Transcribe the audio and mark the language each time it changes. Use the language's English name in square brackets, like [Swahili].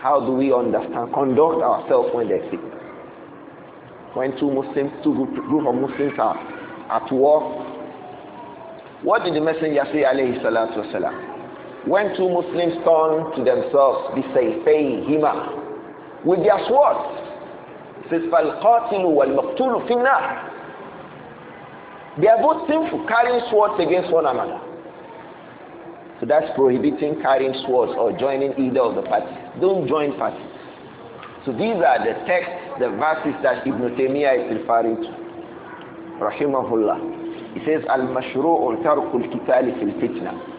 [English] How do we understand, conduct ourselves when they fiqh? When two group of Muslims are at war, what did the Messenger say alayhi salatu wasalam? When two Muslims turn to themselves, they say, fayhima, with their swords. It says, [Arabic] فَالْقَاتِلُ وَالْمَقْتُولُ فِي النَّارِ. [English] They are both sinful, carrying swords against one another. So that's prohibiting carrying swords or joining either of the parties. Don't join parties. So these are the texts, the verses that Ibn Taymiyyah is referring to. [Arabic] Rahimahullah. [English] He says, [Arabic] Al-Mashru'u al-Tarku al-Kitali fil Fitna.